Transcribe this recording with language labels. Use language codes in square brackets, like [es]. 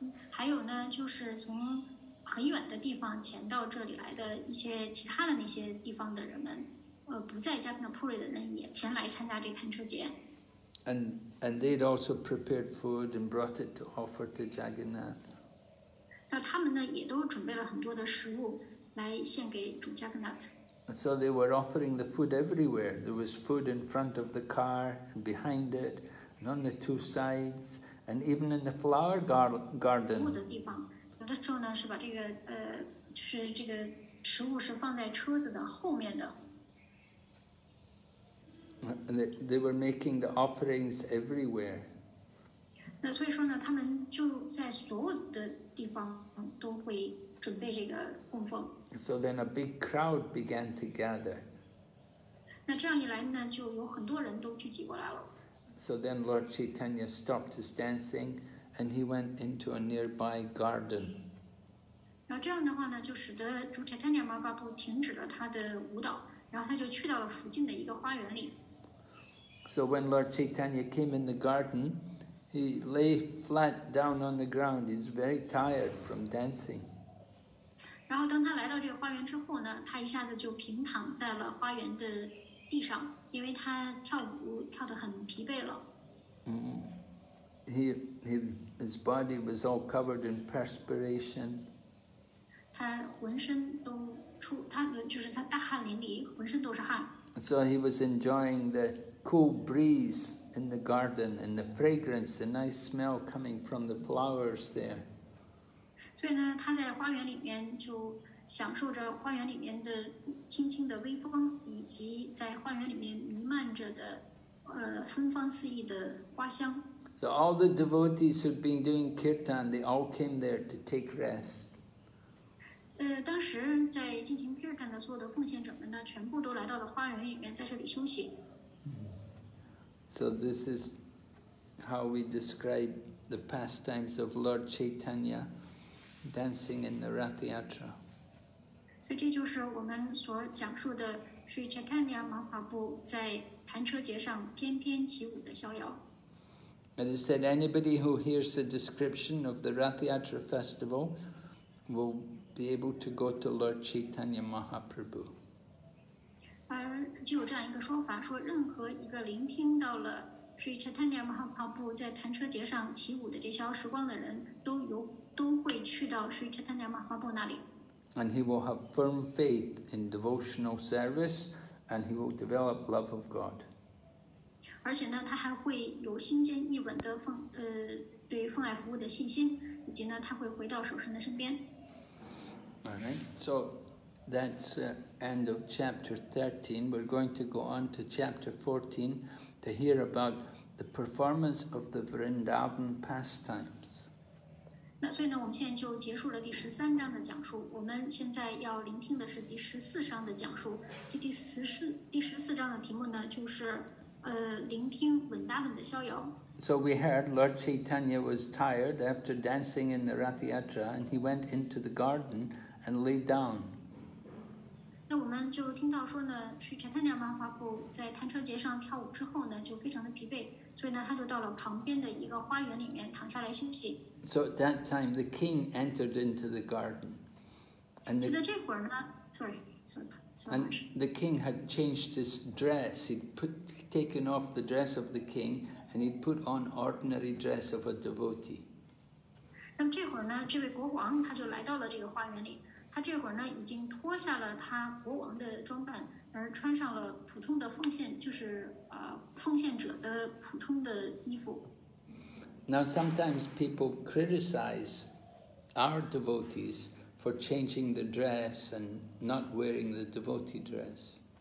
[zh] 还有呢，就是从很远的地方前到这里来的一些其他的那些地方的人们。不在加纳普瑞的人也前来参加这弹车节。 [en] And they'd also prepared food and brought it to offer to Jagannath. [zh] 那他们呢也都准备了很多的食物来献给主 Jagannath. [en] So they were offering the food everywhere. There was food in front of the car, and behind it, and on the two sides, and even in the flower garden. [zh] 住的地方，有的时候呢是把这个就是这个食物是放在车子的后面的。 [en] And they were making the offerings everywhere. [zh] 那所以说呢，他们就在所有的地方都会准备这个供奉。 [en] So then a big crowd began to gather. [zh] 那这样一来呢，就有很多人都聚集过来了。 [en] So then Lord Chaitanya stopped his dancing, and he went into a nearby garden. [zh] 那这样的话呢，就使得主 Chaitanya Mahaprabhu 停止了他的舞蹈，然后他就去到了附近的一个花园里。 [en] So when Lord Chaitanya came in the garden, he lay flat down on the ground. He's very tired from dancing. [zh] 然后当他来到这个花园之后呢，他一下子就平躺在了花园的地上，因为他跳舞跳得很疲惫了。 [en] His body was all covered in perspiration. [zh] 他浑身都出，他就是他大汗淋漓，浑身都是汗。 [en] So he was enjoying the cool breeze in the garden and the fragrance, the nice smell coming from the flowers there. [zh] 所以呢，他在花园里面就享受着花园里面的轻轻的微风，以及在花园里面弥漫着的芬芳四溢的花香。 [en] So all the devotees who'd been doing kirtan, they all came there to take rest. [zh] 当时在进行 kirtan 的所有的奉献者们呢，全部都来到了花园里面，在这里休息。 [en] So this is how we describe the pastimes of Lord Chaitanya dancing in the Rath Yatra. So this is what we describe Sri Chaitanya Mahaprabhu in the Rath Yatra dancing in the Rath Yatra. It is said anybody who hears the description of the Rath Yatra festival will be able to go to Lord Chaitanya Mahaprabhu. [zh] 就有这样一个说法，说任何一个聆听到了 Sri Chaitanya Mahaprabhu 在弹车节上起舞的这些时光的人，都会去到 Sri Chaitanya Mahaprabhu 那里。 [en] And he will have firm faith in devotional service, and he will develop love of God. [zh] 而且呢，他还会有心坚意稳的奉对于奉爱服务的信心，以及呢，他会回到守神的身边。 [en] All right, so that's end of chapter 13. We're going to go on to chapter 14 to hear about the performance of the Vrindavan pastimes. [zh] 那所以呢，我们现在就结束了第十三章的讲述。我们现在要聆听的是第十四章的讲述。这第十四章的题目呢，就是聆听Vrindavan的逍遥。 [en] So we heard Lord Chaitanya was tired after dancing in the Rath Yatra, and he went into the garden and lay down. [zh] 那我们就听到说呢，是 Chaitanya Mahaprabhu 在弹车节上跳舞之后呢，就非常的疲惫，所以呢，他就到了旁边的一个花园里面躺下来休息。 [en] So at that time, the king entered into the garden. And the, [zh] 在这会儿呢 ， [en] sorry, and the king had changed his dress. He'd put taken off the dress of the king. And he put on ordinary dress of a devotee. [zh] 那么这会儿呢，这位国王他就来到了这个花园里。他这会儿呢，已经脱下了他国王的装扮，而穿上了普通的奉献，就是奉献者的普通的衣服。 [en] Now sometimes people criticize our devotees for changing the dress and not wearing the devotee dress.